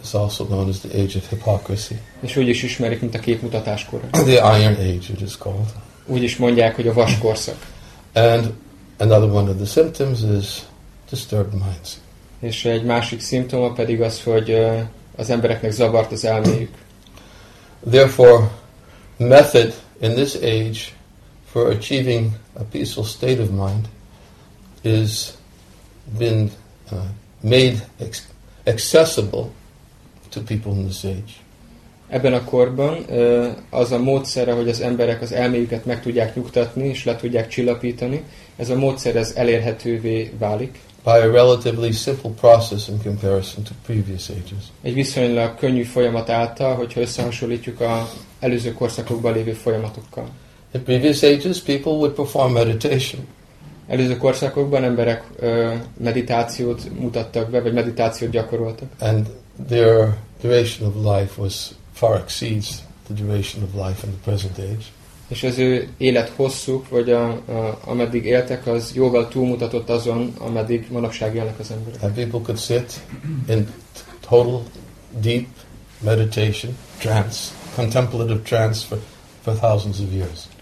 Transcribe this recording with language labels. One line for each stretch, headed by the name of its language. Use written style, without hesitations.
English: It's also known as the age of hypocrisy.
Hungarian: És úgy is ismerik, mint a képmutatás kora.
English: The iron age, it is called.
Hungarian: Úgy is mondják, hogy a vas korszak.
English: And another one of the symptoms is disturbed minds.
Hungarian: És egy másik szimptoma pedig az, hogy az embereknek zavart az elméjük.
English: Therefore, method in this age for achieving a peaceful state of mind is been made accessible to people in this age.
Hungarian: Ebben a korban az a módszer, hogy az emberek az elméjüket meg tudják nyugtatni és le tudják csillapítani, ez a módszer ez elérhetővé válik.
English: By a relatively simple process in comparison to previous ages.
Hungarian: Egy viszonylag könnyű folyamat által, hogyha összehasonlítjuk a előző korszakokban lévő folyamatokkal.
English: In previous ages, people would perform meditation.
Hungarian: Előző korszakokban emberek meditációt mutattak be, vagy meditációt gyakoroltak.
English: And their duration of life was far exceeds the duration of life in the present age.
Hungarian: És az ő élet hosszuk, vagy ameddig éltek, az jóval túlmutatott azon, ameddig manapság élnek az emberek.
English: And people could sit in total deep meditation, trance, contemplative trance for thousands of years.